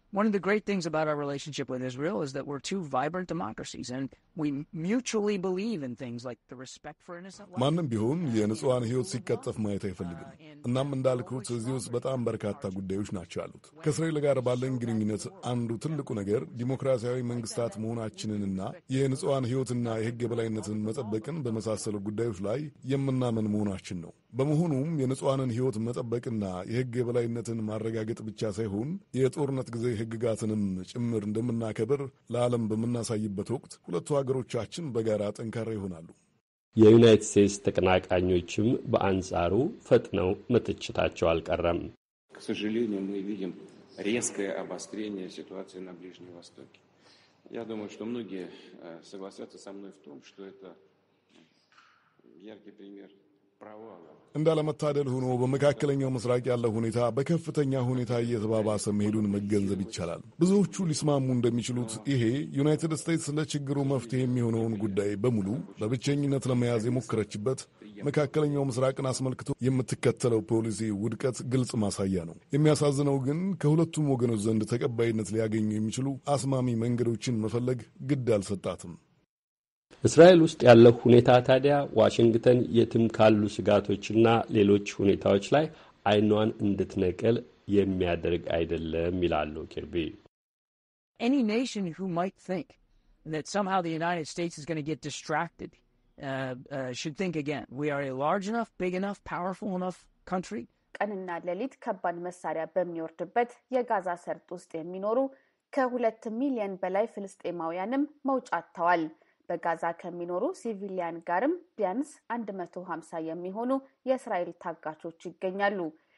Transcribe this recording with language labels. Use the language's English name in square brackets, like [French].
[English] One of the great things about our relationship with Israel is that we're two vibrant democracies and we mutually believe in things like the respect for innocent life. [Amharic] ማንም ቢሆን የንጹሃን ህይወት ሲቀጠፍ ማየት አይፈልግም። እናም እንዳልኩት እዚህ ውስጥ በጣም በርካታ ጉዳዮች ናቸው ያሉት። ከእስራኤል ጋር ባለን ግንኙነት አንዱ ትልቁ ነገር ዲሞክራሲያዊ መንግስታት መሆናችንንና የንጹሃን ህይወትና የህግ የበላይነትን መጠበቅን በመሳሰሉ ጉዳዮች ላይ የምናምን መሆናችን ነው። በመሆኑም የንጹሃንን ህይወት መጠበቅና የህግ የበላይነትን ማረጋገጥ ብቻ ሳይሆን የጦርነት ጊዜ ህግጋትንም ጭምር እንደምናከብር ለዓለም በመናሳይበት ወቅት ሁለቱ ሀገሮቻችን በጋራ ጠንካራ ይሆናሉ። የዩናይትድ ስቴትስ ተቀናቃኞችም በአንጻሩ ፈጥነው መተቸታቸው አልቀረም። ከሰጀሊኒ ነው ይሄም [Russian] резкое обострение ситуации на Ближнем Востоке. Я думаю, что многие согласятся со мной в том, что это яркий пример провала. [Amharic] እንዳለመታደል ሆኖ በመካከለኛው ምስራቅ ያለው ሁኔታ በከፍተኛ ሁኔታ እየተባባሰ መሄዱን መገንዘብ ይቻላል። ብዙዎቹ ሊስማሙ እንደሚችሉት ይሄ ዩናይትድ ስቴትስ ለችግሩ መፍትሄ የሚሆነውን ጉዳይ በሙሉ በብቸኝነት ለመያዝ የሞከረችበት መካከለኛው ምስራቅን አስመልክቶ የምትከተለው ፖሊሲ ውድቀት ግልጽ ማሳያ ነው። የሚያሳዝነው ግን ከሁለቱም ወገኖች ዘንድ ተቀባይነት ሊያገኙ የሚችሉ አስማሚ መንገዶችን መፈለግ ግድ አልሰጣትም። እስራኤል ውስጥ ያለው ሁኔታ ታዲያ ዋሽንግተን የትም ካሉ ስጋቶችና ሌሎች ሁኔታዎች ላይ አይኗን እንድትነቀል የሚያደርግ አይደለም ይላሉ ኪርቢ። [English] Any nation who might think that somehow the United States is going to get distracted should think again. We are a large enough, big enough, powerful enough country. [Amharic] ቀንና ለሊት ከባድ መሳሪያ በሚወርድበት የጋዛ ሰርጥ ውስጥ የሚኖሩ ከሁለት ሚሊዮን በላይ ፍልስጤማውያንም መውጫ አጥተዋል። በጋዛ ከሚኖሩ ሲቪሊያን ጋርም ቢያንስ 150 የሚሆኑ የእስራኤል ታጋቾች ይገኛሉ።